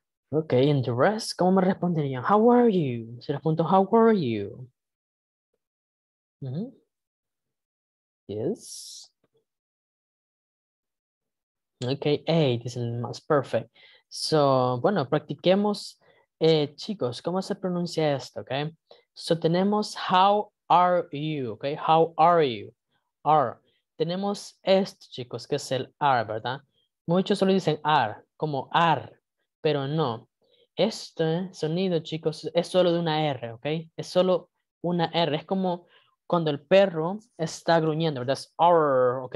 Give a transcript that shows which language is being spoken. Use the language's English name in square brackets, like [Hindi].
[English] Okay, and the rest, [Spanish] ¿cómo me responderían? [English] How are you? [Spanish] Se les pregunto, [English] how are you? Mm-hmm. Yes. Okay, hey, this is most perfect. [Spanish] So, bueno, practiquemos, chicos, ¿cómo se pronuncia esto? Okay, so tenemos [English] how are you, okay, how are you, are. [Spanish] Tenemos esto, chicos, que es el are, ¿verdad? Muchos solo dicen are, como are, pero no. Este sonido, chicos, es solo de una R, ¿ok? Es solo una R. Es como cuando el perro está gruñendo, ¿verdad? Es R, ¿ok?